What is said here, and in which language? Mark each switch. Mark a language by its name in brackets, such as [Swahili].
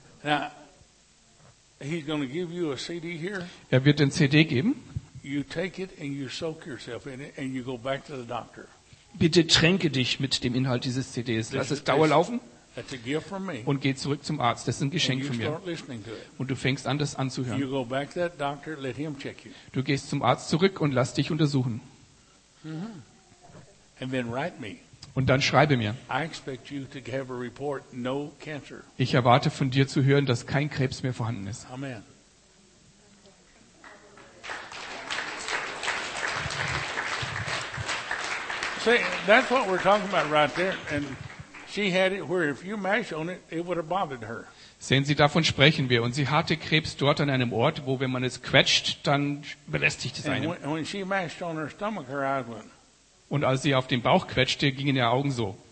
[English] Now, he's gonna give you a CD here. [German] Er wird den CD geben. [English] You take it and you soak yourself in it and you go back to the doctor. [German] Bitte tränke dich mit dem Inhalt dieses CDs. Lass es dauerlaufen. [English] That's a gift from me. [German] Und geh zurück zum Arzt. Das ist ein Geschenk von mir. Und du fängst an, das anzuhören. [English] You go back to that doctor, let him check you. [German] Du gehst zum Arzt zurück und lass dich untersuchen. [English] Mm-hmm. And then write me. [German] Und dann schreibe mir. [English] I expect you to have a report, no cancer. [German] Ich erwarte von dir zu hören, dass kein Krebs mehr vorhanden ist. [English] Amen. See, that's what we're talking about right there. And she had it where if you mash on it, it would have bothered her. [German] Sehen Sie, davon sprechen wir. Und sie hatte Krebs dort an einem Ort, wo, wenn man es quetscht, dann belästigt es einen. [English] And when she mashed on her stomach, her eyes went. [German] Und als sie auf den Bauch quetschte, gingen ihre Augen so.